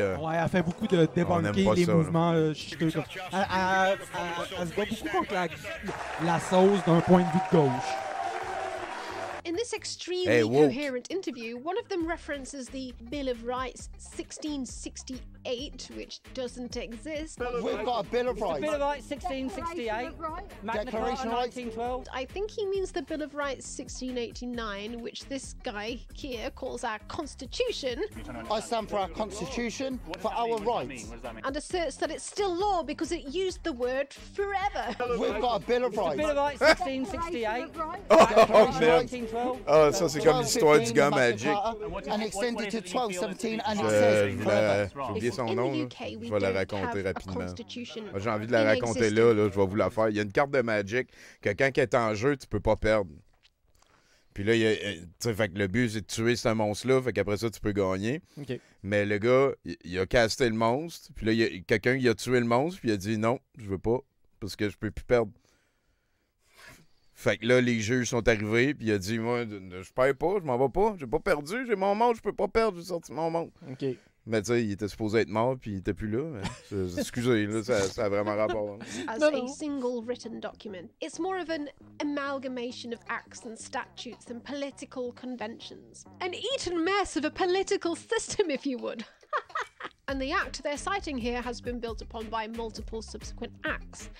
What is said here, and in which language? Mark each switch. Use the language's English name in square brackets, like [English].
[French] Ouais, elle fait beaucoup de débunker les mouvements chiqueux. Elle se bat beaucoup contre la sauce d'un point de vue de gauche. [English] In this extremely coherent interview, one of them references the Bill of Rights 1668, which doesn't exist. We've got a Bill of Rights. The Bill of Rights 1668. Declaration of Rights. 1912. I think he means the Bill of Rights 1689, which this guy here calls our Constitution. I stand for our Constitution, for our rights. And asserts that it's still law because it used the word forever. We've got a Bill of Rights. The Bill of Rights 1668. Declaration of Rights. [French] Ah, ça, c'est comme l'histoire du gars Magic. J'ai oublié son nom. Je vais la raconter rapidement. Moi, j'ai envie de la raconter là. Je vais vous la faire. Il y a une carte de Magic que quand elle est en jeu, tu peux pas perdre. Puis là, fait que le but, c'est de tuer ce monstre-là. Fait qu'après ça, tu peux gagner. Okay. Mais le gars, il a casté le monstre. Puis là, il a tué le monstre. Puis il a dit non, je veux pas. Parce que je peux plus perdre. Fait que là, les juges sont arrivés, puis il a dit, moi, je perds pas, je m'en vais pas, j'ai pas perdu, j'ai mon monde, je peux pas perdre, j'ai sorti mon monde. OK. Mais tu sais, il était supposé être mort, puis il était plus là. Excusez, là, ça a vraiment rapport. [English] As non. A single written document, it's more of an amalgamation of acts and statutes than political conventions. An eaten mess of a political system, if you would. And the act they're citing here has been built upon by multiple subsequent acts.